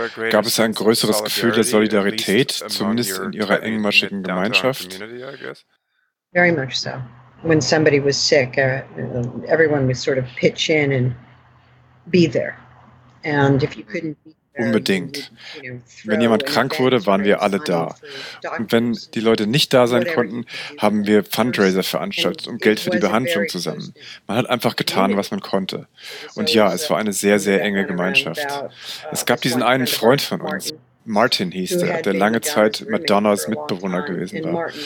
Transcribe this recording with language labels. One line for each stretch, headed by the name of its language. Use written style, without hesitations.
German: Gab es ein größeres Gefühl der Solidarität, zumindest in Ihrer engmaschigen Gemeinschaft?
English: Very much so. When somebody was sick, everyone would sort of pitch in and be there. And if you couldn't be.
German: Unbedingt. Wenn jemand krank wurde, waren wir alle da. Und wenn die Leute nicht da sein konnten, haben wir Fundraiser veranstaltet und Geld für die Behandlung zusammen. Man hat einfach getan, was man konnte. Und ja, es war eine sehr, sehr enge Gemeinschaft. Es gab diesen einen Freund von uns. Martin hieß er, der lange Zeit Madonnas Mitbewohner gewesen war.